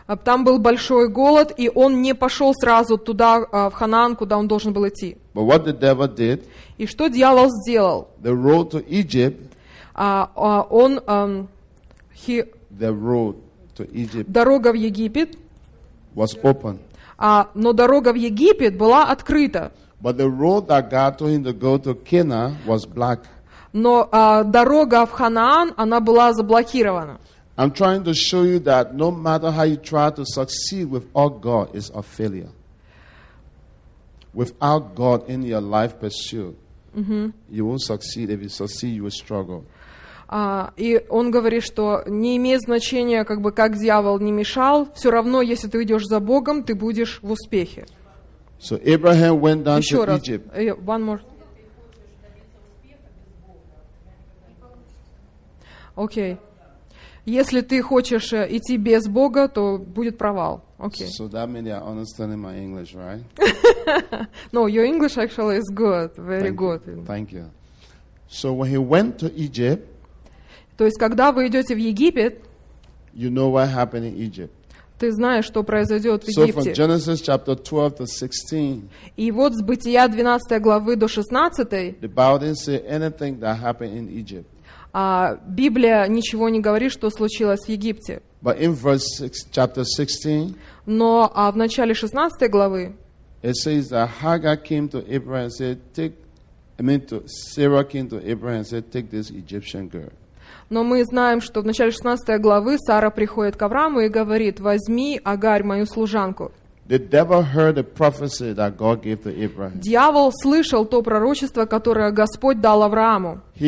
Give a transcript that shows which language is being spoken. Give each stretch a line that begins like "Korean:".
Russian: Там был большой голод, и он не пошел сразу туда, в Ханаан, куда он должен был идти.
English: But what the devil did,
Russian: и что дьявол сделал?
English: The road to Egypt,
Russian: он,
English: he, the road to Egypt,
Russian: дорога в Египет,
English: was open.
Russian: Но дорога в Египет была открыта.
English: But the road that God told him to go to Cana was blocked.
Russian: Но дорога в Ханаан, она была заблокирована.
English: I'm trying to show you that no matter how you try to succeed without God, it's a failure. Without God in your life pursuit, you won't succeed. If you succeed, you will struggle.
Russian: И он говорит, что не имеет значения, как бы как дьявол не мешал, все равно, если ты идешь за Богом, ты будешь в успехе.
English: So Abraham went down to Egypt. One more. Okay.
Russian: Если ты хочешь идти без Бога, то будет провал.
English: Okay. So that means you're understanding my English, right? No, your English actually is good, very good. Thank you. So when he went to Egypt.
Russian: То есть, когда вы идете в Египет,
English: you know what happened in Egypt.
Russian: Ты знаешь, что произойдет в Египте.
English: So from Genesis chapter 12 to 16,
Russian: и вот с Бытия 12 главы до 16,
English: the Bible didn't say anything that happened in Egypt.
Russian: Библия ничего не говорит, что случилось в Египте.
English: But in verse 6, chapter 16,
Russian: но в начале 16 главы,
English: it says that Hagar came to Abraham and said, Sarah came to Abraham and said, take this Egyptian girl.
Russian: Но мы знаем, что в начале 16 главы Сара приходит к Аврааму и говорит: «Возьми Агарь, мою служанку». Дьявол слышал то пророчество, которое Господь дал Аврааму.